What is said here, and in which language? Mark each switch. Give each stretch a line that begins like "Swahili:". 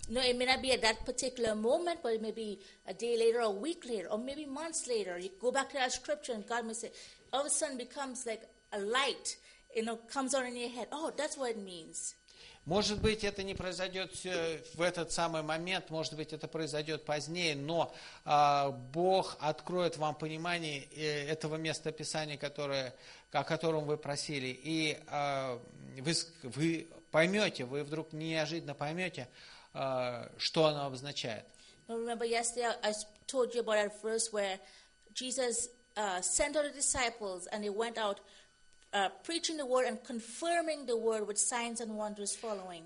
English: No, it may not be at that particular moment, but it may be a day later, or a week later, or maybe months later. You go back to that scripture, and God may say, all of a sudden becomes like a light, you know, comes on in your head. Oh, that's what it means.
Russian: Может быть, это не произойдет в этот самый момент, может быть, это произойдет позднее, но Бог откроет вам понимание этого места Писания, о котором вы просили, и вы поймете, вы вдруг неожиданно поймете, что оно обозначает.
English: Remember, yesterday I told you about a verse where Jesus sent out the disciples and they went out preaching the word and confirming the word with signs and wonders following.